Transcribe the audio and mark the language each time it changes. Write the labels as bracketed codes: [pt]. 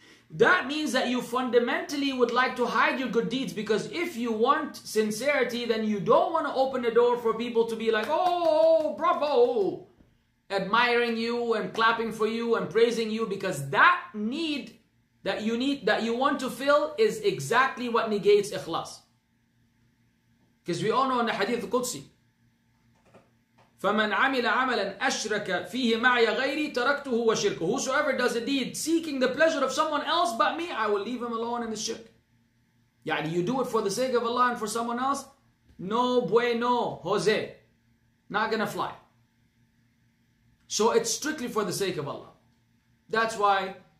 [en] That means that you fundamentally would like to hide your good deeds, because if you want sincerity, then you don't want to open the door for people to be like, oh, bravo, admiring you and clapping for you and praising you, because that need that you need, that you want to fill, is exactly what negates ikhlas. Because we all know in the hadith Qudsi, [ar] فَمَنْ عَمِلَ عَمَلًا أَشْرَكَ فِيهِ مَعْيَ غَيْرِي تَرَكْتُهُ وَشِرْكُهُ. [en] Whosoever does a deed seeking the pleasure of someone else but me, I will leave him alone in his shirk. Yani, you do it for the sake of Allah and for someone else, no bueno, Jose. Not gonna fly. So it's strictly for the sake of Allah. That's why